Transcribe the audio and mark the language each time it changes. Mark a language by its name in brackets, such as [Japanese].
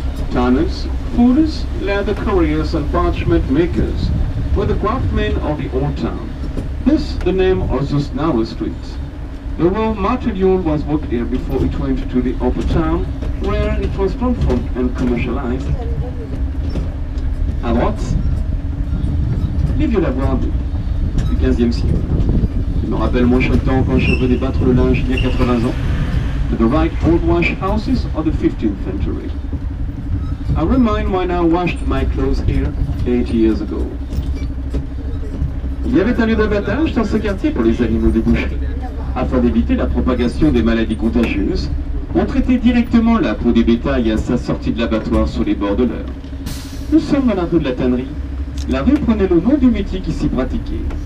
[English] Tanners, fooders, leather couriers and parchment makers were the craftsmen of the old town. This the name of the narrow street. The raw material was worked here before it went to the upper town, where it was transformed and commercialized. [French] À droite, les vieux lavoirs du 15e siècle. Je me rappelle mon chaque temps quand je venais battre le linge il y a 80 ans. [English] To the right, old wash houses of the 15th century. I remind when I washed my clothes here 80 years ago. [French] Il y avait un lieu d'abattage dans ce quartier pour les animaux des bouchers. Afin d'éviter la propagation des maladies contagieuses, on traitait directement la peau du bétail à sa sortie de l'abattoir sur les bords de l'Eure. Nous sommes dans la rue de la Tannerie. La rue prenait le nom du métier qui s'y pratiquait.